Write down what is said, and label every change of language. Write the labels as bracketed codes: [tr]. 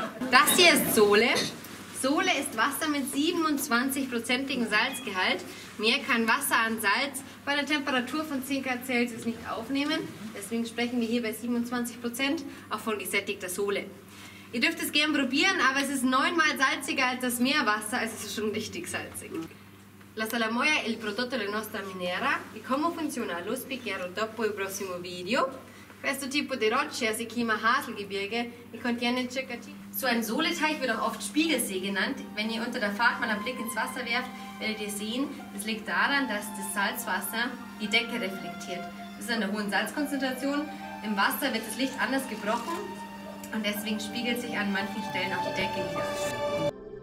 [de] Das hier ist Sole. Sole ist Wasser mit 27%igem Salzgehalt. Mehr kann Wasser an Salz bei einer Temperatur von 10 Grad Celsius nicht aufnehmen. Deswegen sprechen wir hier bei 27% auch von gesättigter Sole. Ihr dürft es gern probieren, aber es ist 9-mal salziger als das Meerwasser, also es ist schon richtig salzig. [it] La salamoia è il prodotto della nostra miniera. E come funziona? Lo spiegherò dopo il prossimo video. Questo tipo di roccia si chiama Haselgebirge e contiene circa 5. [de] So ein Soleteich wird auch oft Spiegelsee genannt. Wenn ihr unter der Fahrt mal einen Blick ins Wasser werft, werdet ihr sehen, es liegt daran, dass das Salzwasser die Decke reflektiert. Das ist an der hohen Salzkonzentration. Im Wasser wird das Licht anders gebrochen und deswegen spiegelt sich an manchen Stellen auch die Decke wieder.